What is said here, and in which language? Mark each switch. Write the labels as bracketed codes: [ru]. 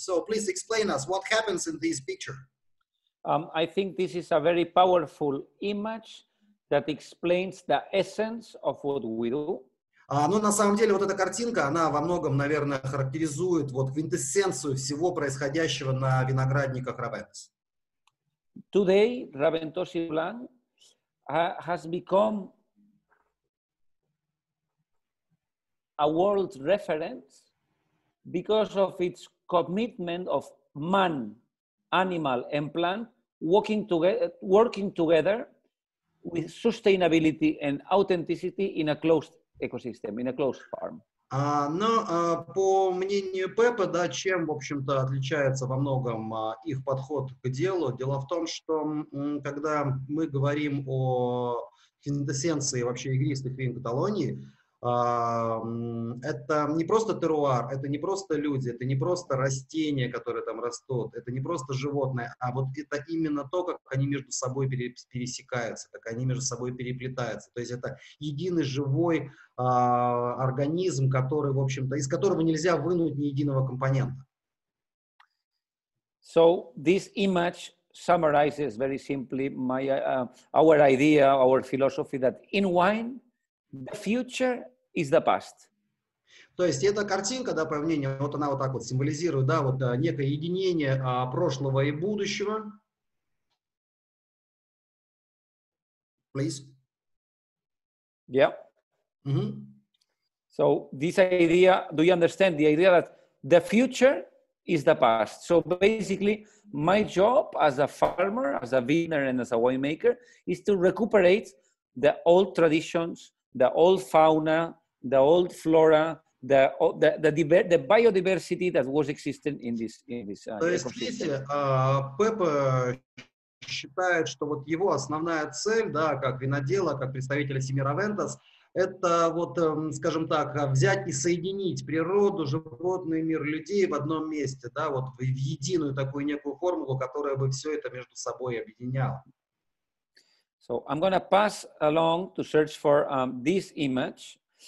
[en] So, please explain us what happens in this picture. I think this is a very powerful image that explains the essence of what we do. [ru] Ну, на самом деле, вот эта картинка, она во многом, наверное, характеризует вот квинтэссенцию всего происходящего на виноградниках Raventos. [en] Today, Raventos in Blanc has become a world reference because of its commitment of man, animal, and plant working together with sustainability and authenticity in a closed ecosystem, in a closed farm. [ru] По мнению Пеппа, да, чем, в общем-то, отличается во многом их подход к делу? Дело в том, что когда мы говорим о квинтэссенции вообще игристых вин Каталонии, это не просто терруар, это не просто люди, это не просто растения, которые там растут, это не просто животные, а вот это именно то, как они между собой пересекаются, как они между собой переплетаются. То есть это единый живой организм, который, в общем-то, из которого нельзя вынуть ни единого компонента. [en] So this image summarizes very simply my our idea, our philosophy that in wine the future is the past. [ru] То есть эта картинка, да, по мнению, вот она вот так вот символизирует, да, вот некое единение прошлого и будущего. [en] Please. Yeah. Mm-hmm. So this idea, do you understand the idea that the future is the past? So basically, my job as a farmer, as a vintner, and as a winemaker is to recuperate the old traditions, the old fauna, the old flora, the biodiversity that was existing in this [ru] То есть, видите, Пеппа считает, что вот его основная цель, да, как винодела, как представителя семьи Raventos, это вот, скажем так, взять и соединить природу, животный мир, людей в одном месте, да, вот в единую такую некую формулу, которая бы все это между собой объединяла. [en] So I'm gonna pass along to search for this image.